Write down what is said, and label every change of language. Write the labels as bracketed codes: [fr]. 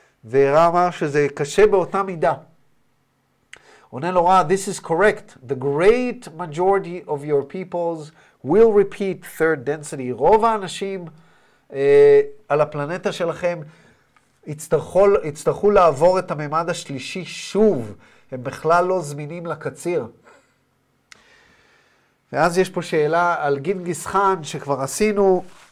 [he] ורע אמר שזה קשה באותה מידה. עונה לו רע, [en] this is correct. The great majority of your peoples will repeat third density. [he] רוב האנשים על הפלנטה שלכם יצטרכו לעבור את הממד השלישי שוב. הם בכלל לא זמינים לקציר. ואז יש פה שאלה על גינגיס חאן שכבר עשינו.